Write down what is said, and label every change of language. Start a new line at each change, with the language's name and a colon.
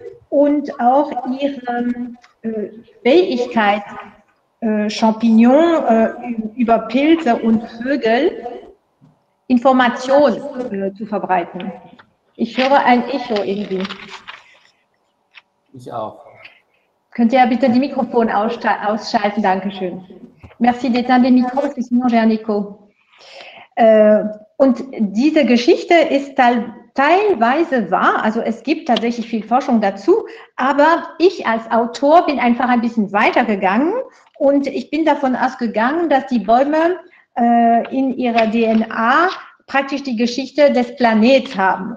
German: Und auch ihre Fähigkeit, Champignons über Pilze und Vögel, Informationen zu verbreiten. Ich höre ein Echo irgendwie. Ich auch. Könnt ihr bitte die Mikrofon ausschalten? Dankeschön.
French: Merci d'éteindre les micros, sinon j'ai un Echo.
German: Und diese Geschichte ist teilweise wahr, also es gibt tatsächlich viel Forschung dazu, aber ich als Autor bin einfach ein bisschen weitergegangen und ich bin davon ausgegangen, dass die Bäume in ihrer DNA praktisch die Geschichte des Planeten haben.